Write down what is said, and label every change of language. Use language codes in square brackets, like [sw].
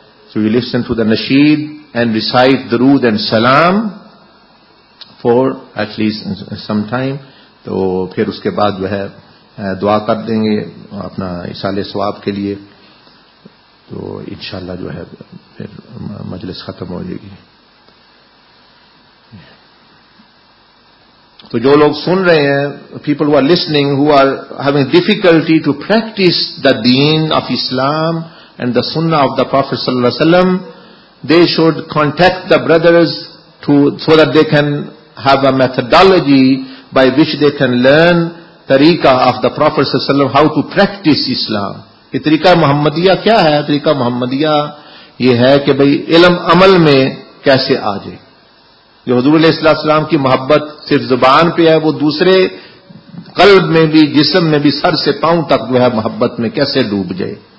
[en] So you listen to the نشید and recite درود and سلام for at least some time. [ur] تو پھر اس کے بعد جو ہے دعا کر دیں گے اپنا ایصال ثواب کے لیے، تو انشاءاللہ جو ہے پھر مجلس ختم ہو جائے گی. تو جو لوگ سن رہے ہیں، [en] People who are listening who are having difficulty to practice the دین of Islam and the سنہ of the prophet صلی اللہ علیہ وسلم، they should contact the brothers to so that they can have a methodology by which they can learn طریقہ of the prophet صلی اللہ علیہ وسلم ہاؤ ٹو پریکٹس اسلام. [ur] یہ طریقہ محمدیہ کیا ہے؟ طریقہ محمدیہ یہ ہے کہ بھائی علم عمل میں کیسے آ جائے. جو حضور علیہ السلام کی محبت صرف زبان پہ ہے، وہ دوسرے قلب میں بھی، جسم میں بھی، سر سے پاؤں تک جو ہے محبت میں کیسے ڈوب جائے.